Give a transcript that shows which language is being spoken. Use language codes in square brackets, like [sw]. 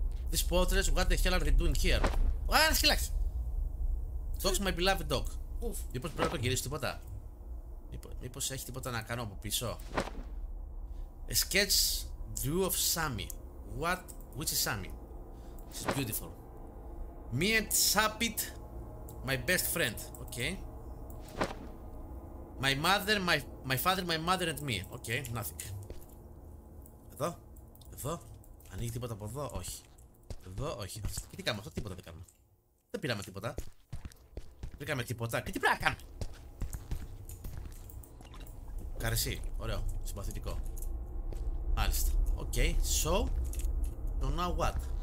[en] These portraits, what the hell are they doing here? [el] Ωραία, χειλάξ! [en] Talks my beloved dog. [el] Μήπως πρέπει να το γυρίσω τίποτα. Μήπως έχει τίποτα να κάνω από πίσω. [en] A sketch drew of Sammy. What? Which is Sammy? She's beautiful. Me and Sapit, my best friend. Okay. My mother, my father, my mother and me. Okay, nothing. Εδώ. [el] Ανοίγει τίποτα από εδώ, όχι. Εδώ, όχι. Και τι κάνουμε αυτό, τίποτα δεν κάνουμε. Δεν πήραμε τίποτα. Βρήκαμε τίποτα. Και τι πρέπει να κάνουμε. Καρεσί, ωραίο, συμπαθητικό. Μάλιστα. Οκ, so. [en] So now what.